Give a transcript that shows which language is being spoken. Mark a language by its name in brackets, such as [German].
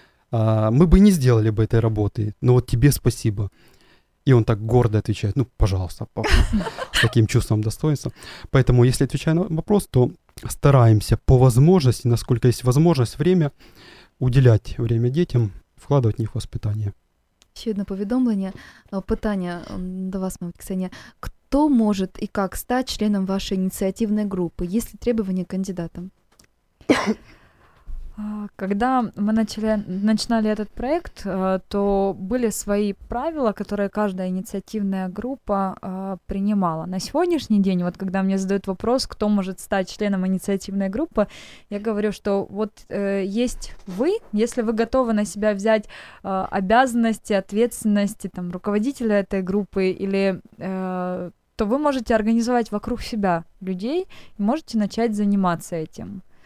[Russian] мы бы не сделали бы этой работы, но вот тебе спасибо. И он так гордо отвечает, ну, пожалуйста, папа, с таким чувством достоинства. Поэтому, если отвечаю на вопрос, то стараемся по возможности, насколько есть возможность, время, уделять время детям, вкладывать в них воспитание. [Ukrainian] Ще одне повідомлення. Питання до вас, мабуть, Ксенія. Хто може і як стати членом вашої ініціативної групи? Є ли требування кандидатам? [Russian] Когда мы начинали этот проект, то были свои правила, которые каждая инициативная группа принимала. На сегодняшний день, вот когда мне задают вопрос, кто может стать членом инициативной группы, я говорю, что вот есть вы, если вы готовы на себя взять обязанности, ответственности там, руководителя этой группы, или то вы можете организовать вокруг себя людей и можете начать заниматься этим.